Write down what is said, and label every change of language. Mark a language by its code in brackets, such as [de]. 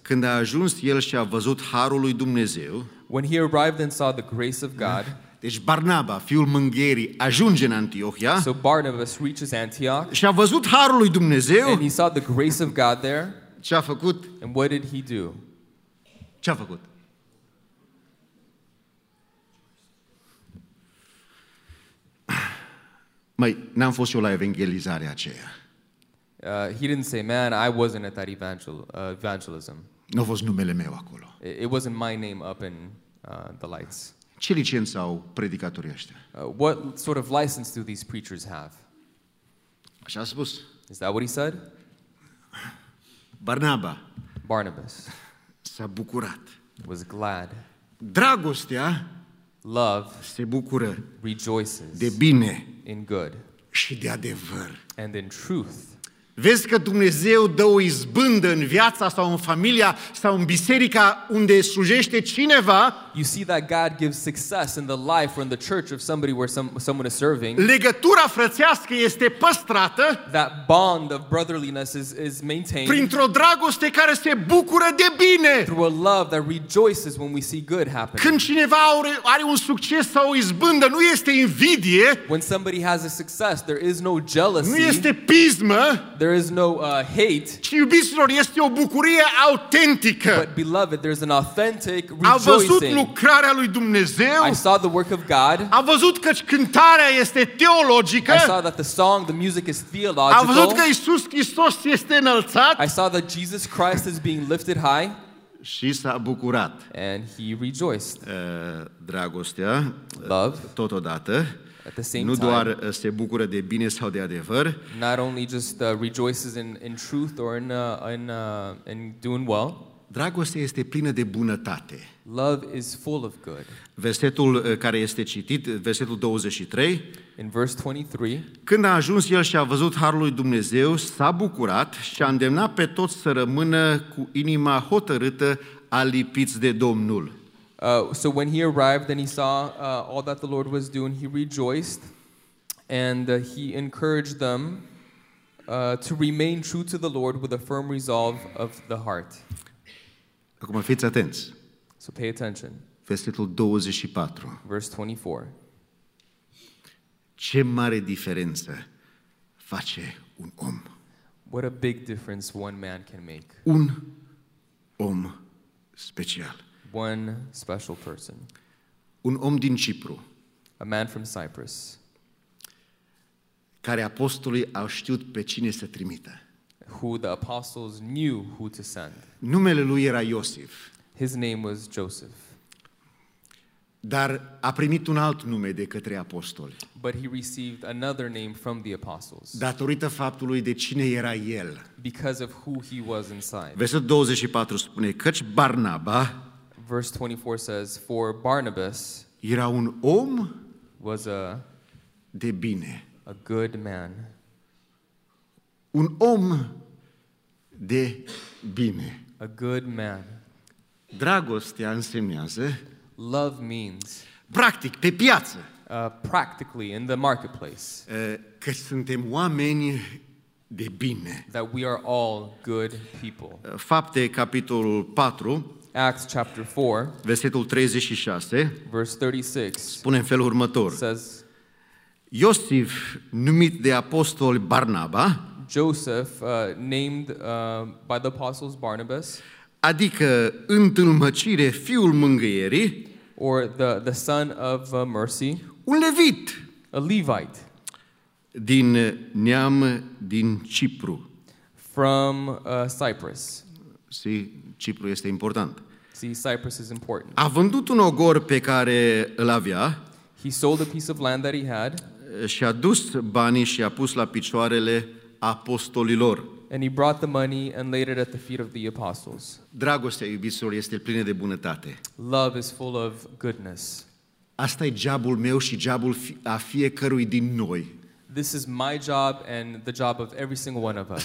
[ro] când a ajuns el și a văzut harul lui Dumnezeu, [en] when he arrived and saw the grace of God, [ro] deci Barnaba, fiul mângherii, ajunge în Antiohia, [en] so Barnabas reaches Antioch, [ro] și a văzut harul lui Dumnezeu, [en] and he saw the grace of God there, [ro] ce a făcut? [en] And what did he do? [ro] Ce a făcut? Mai, n-am fost eu la evangelizarea aceea. [en] He didn't say, man, I wasn't at that evangelism. [ro] N-a fost numele meu acolo. [en] It wasn't my name up in the lights. [ro] Ce licență au predicatorii ăștia? [en] What sort of license do these preachers have? [ro] Așa a spus. [en] Is that what he said? [ro] Barnaba. [en] Barnabas. [ro] S-a bucurat. [en] Was glad. [ro] Dragostea, [en] love, [ro] se bucură, [en] rejoices, [ro] de bine, [en] in good, [ro] și de adevăr. [en] And in truth. [ro] Vezi că Dumnezeu dă o izbândă în viața sau în familia sau în biserica unde slujește cineva. [en] You see that God gives success in the life or in the church of somebody where someone is serving. [ro] Legătura frățească este păstrată. [en] That bond of brotherliness is maintained. [ro] Printr-o dragoste care se bucură de bine. [en] Through a love that rejoices when we see good happen. [ro] Când cineva are un succes sau o izbândă, nu este invidie. [en] When somebody has a success, there is no jealousy. [ro] Nu este pismă. [en] There is no hate. [ro] Și iubiților, este o bucurie autentică. [en] But beloved, there's an authentic rejoicing. [ro] A văzut lucrarea lui Dumnezeu. [en] I saw the work of God. [ro] A văzut că cântarea este teologică. [en] I saw that the song, the music is theological. [ro] A văzut că Iisus Hristos este înălțat. [en] I saw that Jesus Christ is being lifted high. [ro] Și s-a bucurat. [en] And he rejoiced. [ro] Dragostea, [en] love, [ro] totodată, [en] at the same [ro] nu [en] time, [ro] doar se bucură de bine sau de adevăr, [en] not only just rejoices in truth or in doing well. [ro] Dragostea este plină de bunătate. [en] Love is full of good. [ro] Versetul care este citit, versetul 23. [en] In verse 23. [ro] Când a ajuns el și a văzut harul lui Dumnezeu, s-a bucurat și a îndemnat pe toți să rămână cu inima hotărâtă alipiți de Domnul. [en] So when he arrived and he saw all that the Lord was doing, he rejoiced and he encouraged them to remain true to the Lord with a firm resolve of the heart. [ro] Acum fiți atenți. [en] So pay attention. [ro] Versetul 24. [en] Verse 24. [ro] Ce mare diferență face un om. [en] What a big difference one man can make. [ro] Un om special. [en] One special person. [ro] Un om din Cipru. [en] A man from Cyprus. [ro] Care apostolii au știut pe cine să trimită. [en] Who the apostles knew who to send. [ro] Numele lui era Iosif. [en] His name was Joseph. [ro] Dar a primit un alt nume de către apostoli. [en] But he received another name from the apostles. [ro] Datorită faptului de cine era el. [en] Because of who he was inside. [ro] Versetul 24 spune căci Barnaba. [en] Verse 24 says for Barnabas. [ro] Era un om. [en] Was a. [ro] De bine. [en] A good man. [ro] Un om de bine. [en] A good man. [ro] Dragostea însemnează. [en] Love means. [ro] Practic, pe piață. [en] Practically, in the marketplace. [ro] Că suntem oameni de bine. [en] That we are all good people. [ro] Fapte, capitolul 4. [en] Acts chapter 4. [ro] Versetul 36. [en] Verse 36. [ro] Spune în felul următor. [en] Says, [ro] Iosif, numit de apostol Barnaba. [en] Joseph, named by the apostles Barnabas, [ro] adică întâlmăcire, fiul mângâierii, [en] or the son of mercy, [ro] un levit, [en] a Levite, [ro] din neam din Cipru, [en] from Cyprus. [ro] See, Cipru este important. [en] See, Cyprus is important. [ro] A vândut un ogor pe care îl avea. [en] He sold a piece of land that he had. [ro] Și a dus banii și a pus la picioarele apostolilor. [en] And he brought the money and laid it at the feet of the apostles. [ro] Dragostea, iubiților, este plină de bunătate. [en] Love is full of goodness. [ro] Asta e jobul meu și jobul a fiecărui din noi. [en] This is my job and the job of every single one of us.